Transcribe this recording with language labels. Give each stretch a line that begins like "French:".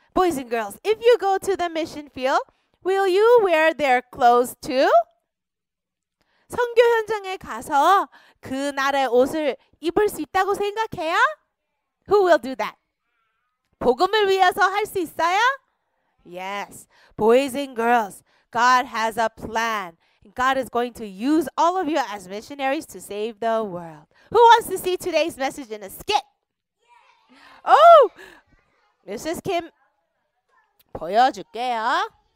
English: Boys and girls, if you go to the mission field, will you wear their clothes too?
Korean: 선교 현장에 가서 그 나라의 옷을 입을 수 있다고 생각해요?
English: Who will do that?
Korean: 복음을 위해서 할 수 있어요?
English: Yes, boys and girls, God has a plan. God is going to use all of you as missionaries to save the world. Who wants to see today's message in a skit? Yeah. Oh,
Korean: Mrs. Kim, 보여줄게요.